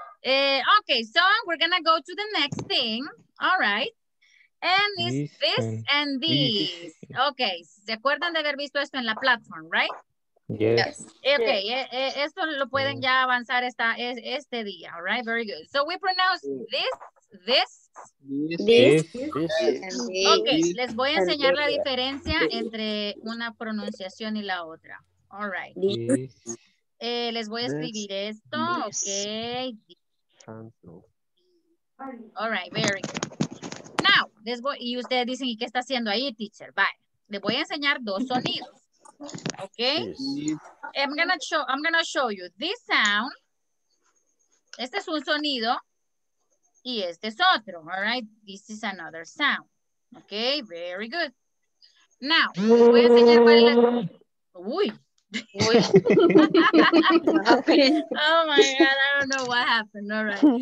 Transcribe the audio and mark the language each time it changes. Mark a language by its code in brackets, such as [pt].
[en] Okay, so we're gonna go to the next thing. All right. And it's this and these. Okay. [es] ¿Se acuerdan de haber visto esto en la platform, right? [en] Yes. Okay, yes. [es] Esto lo pueden ya avanzar este día, [en] all right? Very good. So we pronounce this. [es] Okay, les voy a enseñar la diferencia entre una pronunciación y la otra. [en] All right. [es] Les voy a escribir esto. Okay. [en] All right, very good. [es] Now, les voy, y ustedes dicen, ¿y qué está haciendo ahí, teacher? Bye. Les voy a enseñar dos sonidos. Okay. [en] I'm gonna show you this sound. [es] Este es un sonido. Y este es otro, [en] all right? This is another sound. Okay, very good. [es] Now, les voy a enseñar cuál es la... Uy. Uy. [en] Oh my God, I don't know what happened, all right.